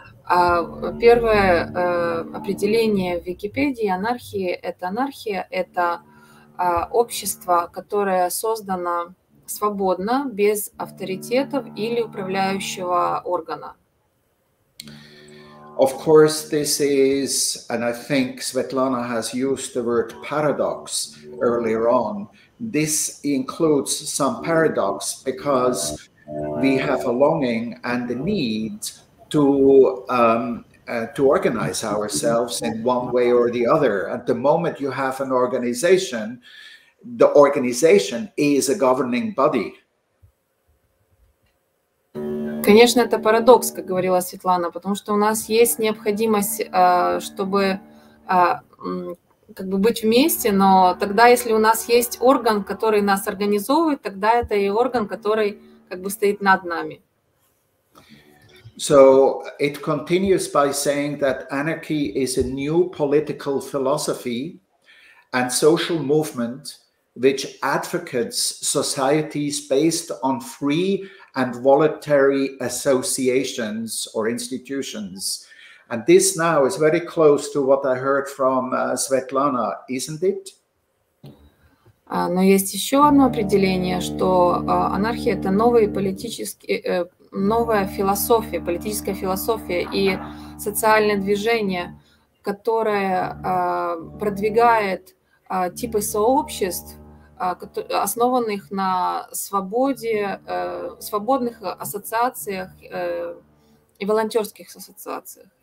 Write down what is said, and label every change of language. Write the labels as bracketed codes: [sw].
[ru] Первое определение в Википедии анархии – это анархия, это общество, которое создано свободно, без авторитетов или управляющего органа. [en] Of course, this is, and I think Svetlana has used the word paradox earlier on. This includes some paradox because we have a longing and a need to organize ourselves in one way or the other. At the moment you have an organization, the organization is a governing body. [ru] Конечно, это парадокс, как говорила Светлана, потому что у нас есть необходимость, чтобы как бы быть вместе, но тогда, если у нас есть орган, который нас организовывает, тогда это и орган, который как бы стоит над нами. [en] So it continues by saying that anarchy is a new political philosophy and social movement which advocates societies based on free and voluntary associations or institutions. And this now is very close to what I heard from Svetlana, isn't it? [ru] Но есть еще одно определение, что анархия – это новый политический... новая философия, политическая философия и социальное движение, которое продвигает типы сообществ, основанных на свободе, свободных ассоциациях и волонтерских ассоциациях.